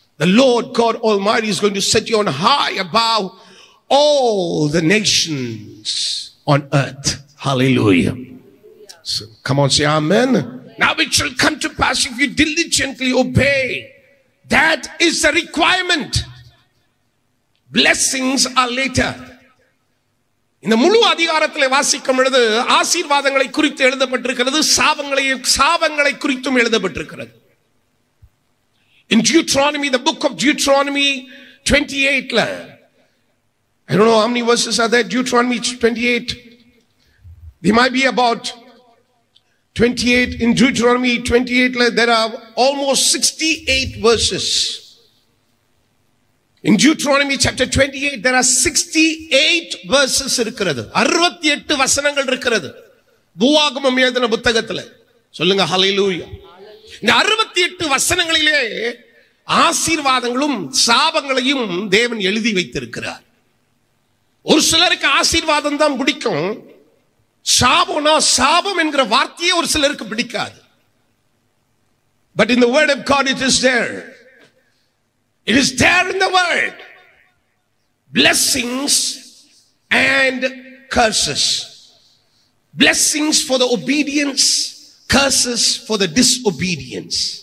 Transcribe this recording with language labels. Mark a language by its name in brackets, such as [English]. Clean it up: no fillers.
[English] The Lord God Almighty is going to set you on high above all the nations on earth. Hallelujah. So come on, say amen. Amen. Now it shall come to pass if you diligently obey. That is the requirement. Blessings are later. [Tamil] இந்த முழு அதிகாரத்தில் வாசிக்கும் பொழுது ஆசீர்வாதங்களை குறித்து எழுதப்பட்டிருக்கிறது, சாபங்களை குறித்தும் எழுதப்பட்டிருக்கிறது. [English] In Deuteronomy, the book of Deuteronomy 28ல, I don't know how many verses are there. Deuteronomy 28, there might be about 28. In Deuteronomy 28ல, there are almost 68 verses. In Deuteronomy chapter 28, there are 68 verses. [Tamil] 68 வசனங்கள் இருக்கிறது பூவாகமம் எழுதின புத்தகத்தில். சொல்லுங்க ஹல்லேலூயா. இந்த 68 வசனங்களிலே ஆசீர்வாதங்களும் சாபங்களையும் தேவன் எழுதி வைத்திருக்கிறார். ஒரு சிலருக்கு ஆசீர்வாதம் தான் பிடிக்கும், சாபம்னா சாபம் என்கிற வார்த்தையே ஒரு சிலருக்கு பிடிக்காது. [English] But in the word of God, it is there. It is there in the word. Blessings and curses. Blessings for the obedience, curses for the disobedience.